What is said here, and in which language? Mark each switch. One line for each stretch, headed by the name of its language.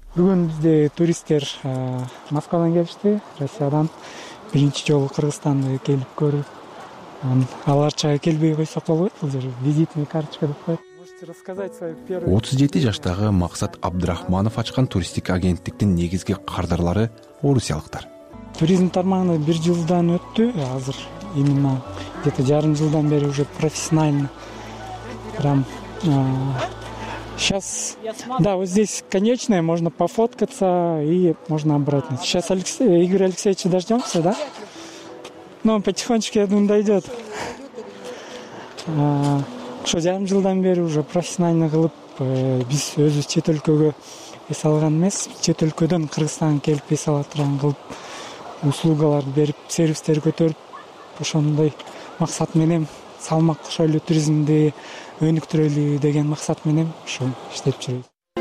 Kyrgyz: Бүгүн бизде туристтер Москвадан келишти, Россиядан. Биринчи жолу Кыргызстанды келип көрүп, аларча келбей койсок болбойт, бул жер визитный карточка деп коет. 37 жаштагы Максат Абдрахманов ачкан туристтик агенттиктин негизги кардарлары орусиялыктар. Туризм тармагына бир жылдан өттү, азыр
Russian: именно где то жарым жылдан бери уже профессионально прям сейчас да вот здесь конечная, можно пофоткаться и можно обратно. Сейчас Игорь Алексеевич дождемся, да, но он потихонечку, я думаю, дойдет.
Kyrgyz: Ошо жарым жылдан бери
Russian: уже профессионально
Kyrgyz: кылып, биз өзүбүз чет өлкөгө эс алган эмес, чет өлкөдөн Кыргызстанга келип эс ала турган кылып услугаларды берип, сервистерди көтөрүп, ошондой максат менен салмак кошойлу, туризмди өнүктүрөлү деген максат менен ошо иштеп жүрөбүз.